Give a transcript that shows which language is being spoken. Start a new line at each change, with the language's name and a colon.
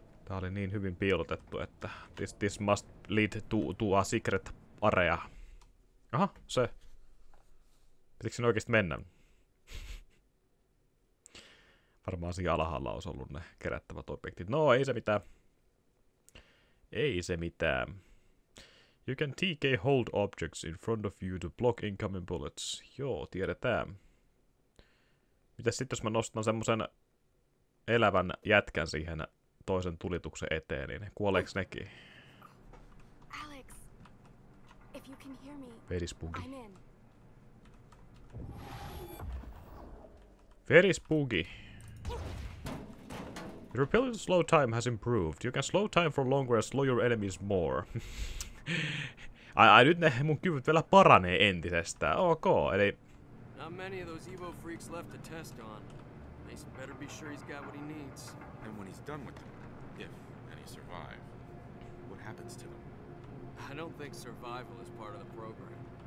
Finnish: Tää oli niin hyvin piilotettu, että
English: this must lead to a secret area.
Finnish: Aha, se. Pitikö sinne oikeesti mennä? Varmaan siinä alhaalla olisi ollut ne kerättävät objektit. No, ei se mitään. Ei se mitään.
English: You can TK hold objects in front of you to block incoming bullets.
Finnish: Joo, tiedetään. Mitäs sitten jos mä nostan semmosen elävän jätkän siihen toisen tulituksen eteen, niin kuoleeks nekin?
English: Alex, if you can hear me, Verispugi. I'm in. Verispugi. Your ability to slow time has improved. You can slow time for longer and slow your enemies more.
Finnish: Ai, nyt ne mun kyvyt vielä paranee entisestään. Ok, eli...
English: Not many of those Evo freaks left to test on. Mason better be sure he's got what he needs. And when he's done with them, if any survive, what happens to them? I don't think survival is part of the program.